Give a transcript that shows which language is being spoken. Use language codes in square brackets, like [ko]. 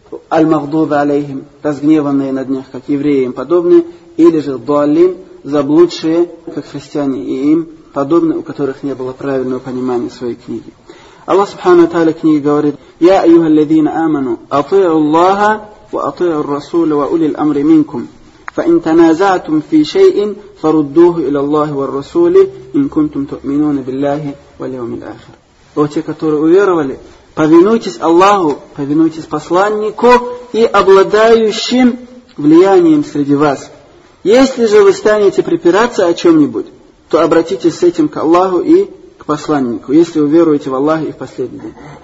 [ru] аль-магдуба алейхим, разгневанные над них, как евреи им подобные, или же дуалин, заблудшие, как христиане и им подобные, у которых не было правильного понимания своей книги. Аллах Субхана Тааля книги говорит: [ar] «Я айюха ладзина аману, атиу Аллаха, ва атиу ар-расула, ва улил амри минкум». فإن تنازعتم في شيء فردوه إلى الله والرسول إن كنتم تؤمنون بالله واليوم الآخر. [ru] Вот те, которые уверовали, повинуйтесь Аллаху, повинуйтесь посланнику и обладающим влиянием среди вас. Если же вы станете препираться о чем-нибудь, то обратитесь с этим к Аллаху и к посланнику, если уверуете в Аллаха и в последний день.